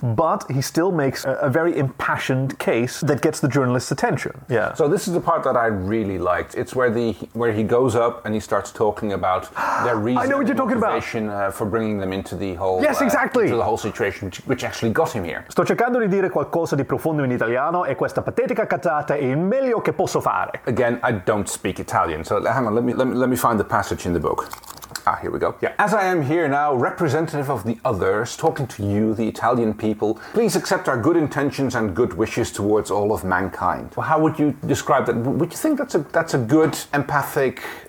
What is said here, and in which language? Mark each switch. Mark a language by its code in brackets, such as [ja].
[en] But he still makes a very impassioned case that gets the journalist's attention. Yeah. So this is the part that I really liked. It's where he goes up and he starts talking about their reason... I know what you're talking about. For bringing them into the whole... Yes, exactly. Into the whole situation, which actually got him here. [it] Sto cercando di dire qualcosa di profondo in italiano e questa patetica cazzata è il meglio che posso fare. [en] Again, I don't speak Italian, so hang on, let me find the passage in the book. Ah, here we go. Yeah. As I am here now, representative of the others, talking to you, the Italian people, please accept our good intentions and good wishes towards all of mankind. Well, how would you describe that? Would you think that's a good, empathic...